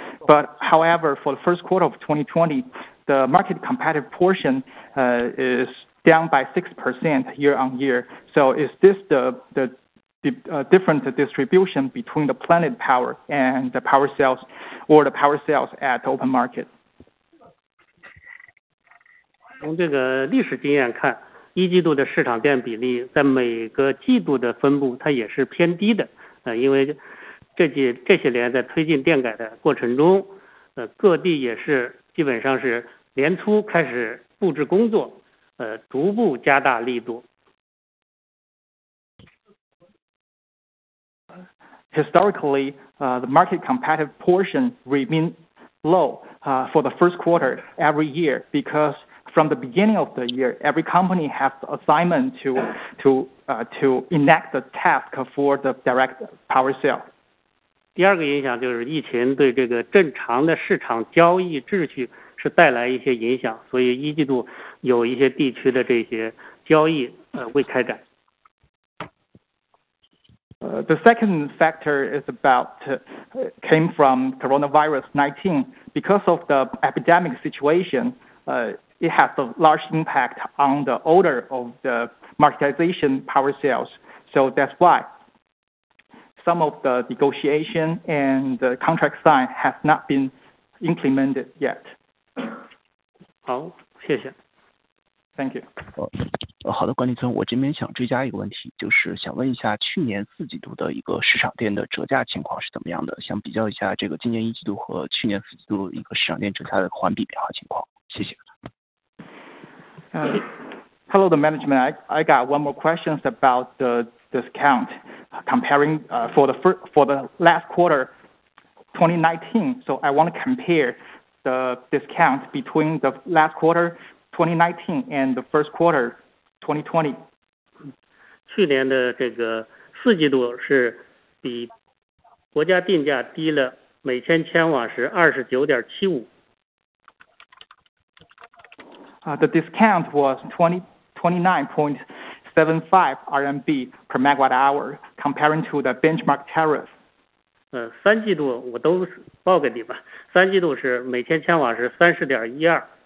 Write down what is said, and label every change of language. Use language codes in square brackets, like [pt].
[en] But however, for the first quarter of 2020, the market competitive portion is down by 6% year on year. So is this the different distribution between the Planet Power and the power sales or the power sales at open market? [zh] 从这个历史经验看，一季度的市场电比例在每个季度的分布它也是偏低的，因为这些年在推进电改的过程中，各地也是基本上是年初开始布置工作，逐步加大力度。 [en] Historically, the market competitive portion remained low for the first quarter every year because from the beginning of the year, every company has assignment to enact the task for the direct power sale. [zh] 第二个影响就是疫情对这个正常的市场交易秩序是带来一些影响，所以一季度有一些地区的这些交易未开展。 [en] The second factor is about came from coronavirus-19. Because of the epidemic situation, it has a large impact on the order of the marketization power sales. So that's why some of the negotiation and the contract sign has not been implemented yet. [zh] 好，谢谢。 [en] Thank you. [zh] 好的，管理层，我这边想追加一个问题，就是想问一下去年四季度的一个市场电的折价情况是怎么样的，想比较一下这个今年一季度和去年四季度一个市场电折价的环比变化情况，谢谢。 [en] Hello, the management. I got one more questions about the discount comparing for the last quarter 2019. So I want to compare the discount between the last quarter 2019 and the first quarter 2020. [zh] 去年的这个四季度是比国家定价低了每千千瓦时29.75。 [en] The discount was 29.75 RMB per megawatt hour, comparing to the benchmark tariff. [zh] 三季度我都报给你吧。三季度是每千千瓦是30.12。